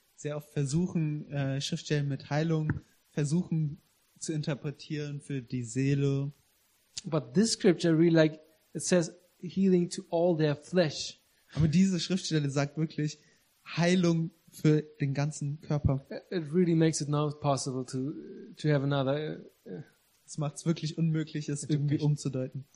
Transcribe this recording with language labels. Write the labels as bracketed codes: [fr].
[de] Sehr oft versuchen, Schriftstellen mit Heilung versuchen zu interpretieren für die Seele. [en] But this scripture really like, it says healing to all their flesh. [de] Aber diese Schriftstelle sagt wirklich Heilung für den ganzen Körper. [en] It really makes it not possible to have another. [de] Es macht es wirklich unmöglich, es irgendwie umzudeuten.